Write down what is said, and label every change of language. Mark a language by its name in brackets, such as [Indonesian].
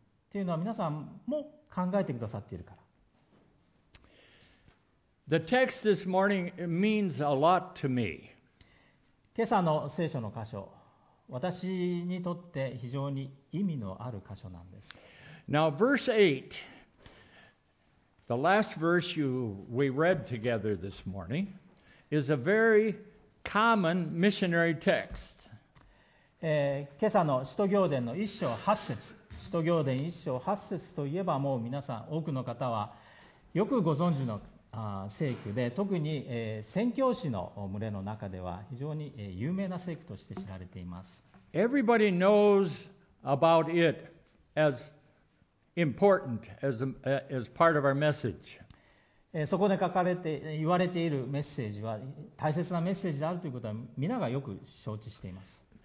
[Japanese] というのは皆さんも考えてくださっているから。 [English] The text this morning means a lot to me. [Japanese] 今朝の聖書の箇所。私にとって非常に意味のある箇所なんです。 [English] Now, verse 8, the last verse we read together this morning, is a very common missionary text. [Japanese] 今朝の使徒行伝の一章八節、使徒行伝一章八節といえばもう皆さん、多くの方はよくご存知の聖句で、特に宣教師の群れの中では非常に有名な聖句として知られています。 [English] Everybody knows about it as important as part of our message. [Japanese] そこで書かれて言われているメッセージは大切なメッセージであるということは皆がよく承知しています。